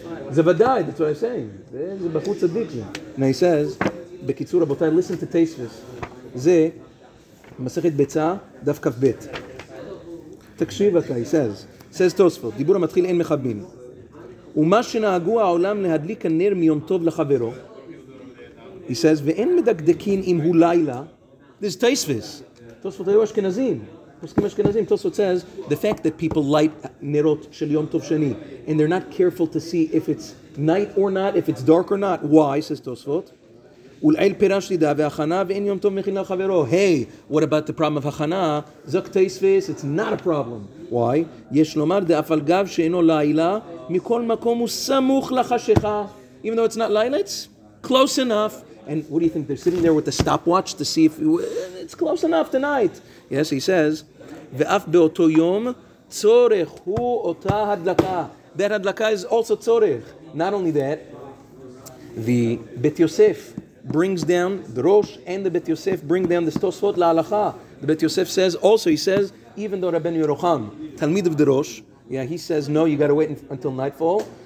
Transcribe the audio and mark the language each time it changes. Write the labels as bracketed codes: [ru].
[he] זה ודאי, [en] that's what I'm saying. [he] זה בחוץ צדיק. [en] Now he says, [he] בקיצור רבותיי, [en] listen to Tosfos. [he] זה מסכת ביצה, דף כ"ב. תקשיב אתה, [en] he says. Says Tosfos, [he] דיבור המתחיל אין מחבים. ומה שנהגו העולם להדליק הנר מיום טוב לחברו, [en] he says, [he] ואין מדקדקין אם הוא לילה, [en] this is Tosfos. Tosfos [he] היו אשכנזים. פוסקים אשכנזים. [en] Tosfos says, the fact that people light נרות של יום טוב שני, and they're not careful to see if it's night or not, if it's dark or not. Why? Says Tosfos. [he] ולעיל פירש לידה והכנה ואין יום טוב מכין לחברו. [en] Hey, what about the problem of הכנה? זוק Tosfos, it's not a problem. Why? [he] יש לומר דאף על גב שאינו לילה, מכל מקום הוא סמוך לחשיכה. [en] Even though it's not lilac, it's close enough. And what do you think? They're sitting there with a stopwatch to see if it's close enough tonight. Yes, he says. [he] ואף באותו יום צורך הוא אותה הדלקה. [en] That הדלקה is also צורך. Not only that, the בית יוסף brings down, the Rosh and the בית יוסף bring down the Tosfos להלכה. The בית יוסף says, also he says, even though Rabbeinu Yerucham, Talmid of the Rosh, yeah, he says, no, you got to wait until nightfall.